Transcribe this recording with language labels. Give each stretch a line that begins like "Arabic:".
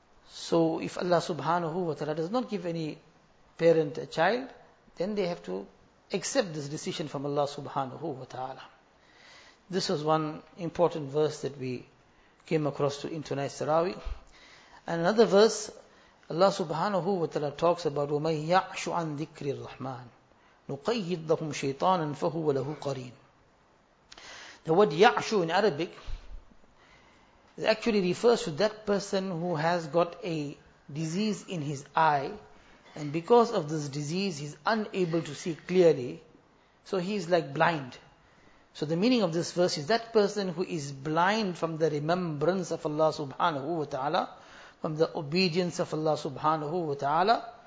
English: So if Allah subhanahu wa ta'ala does not give any parent a child, then they have to accept this decision from Allah subhanahu wa ta'ala. This was one important verse that we came across in tonight's Tarawih. And another verse, Allah subhanahu wa ta'ala talks about,
Arabic: وَمَنْ يَعْشُ عَنْ ذِكْرِ الرَّحْمَانِ نُقَيِّدْ لَهُمْ شَيْطَانًا فَهُوَ لَهُ قَرِينٌ.
English: The word يَعْشُ in Arabic, it actually refers to that person who has got a disease in his eye, and because of this disease, he's unable to see clearly, so he's like blind. So the meaning of this verse is that person who is blind from the remembrance of Allah subhanahu wa ta'ala, from the obedience of Allah subhanahu wa ta'ala.